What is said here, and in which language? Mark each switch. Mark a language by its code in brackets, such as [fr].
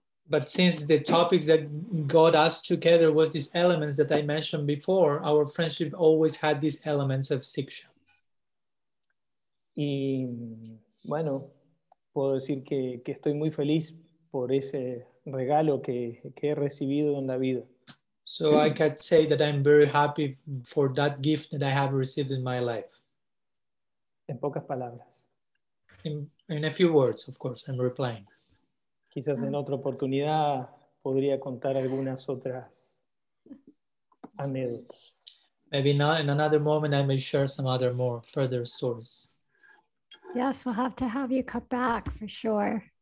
[en] But since the topics that got us together was these elements that I mentioned before, our friendship always had these elements of siksha. [es] Y bueno, puedo decir que estoy muy feliz por ese regalo que he recibido en la vida. [en] So I can say that I'm very happy for that gift that I have received in my life. [es] En pocas palabras. [en] In a few words, of course, I'm replying. [es] Quizás en otra oportunidad podría contar algunas otras anécdotas. [en] Maybe not in another moment I may share some other more further stories. Yes, we'll have to have you come back for sure.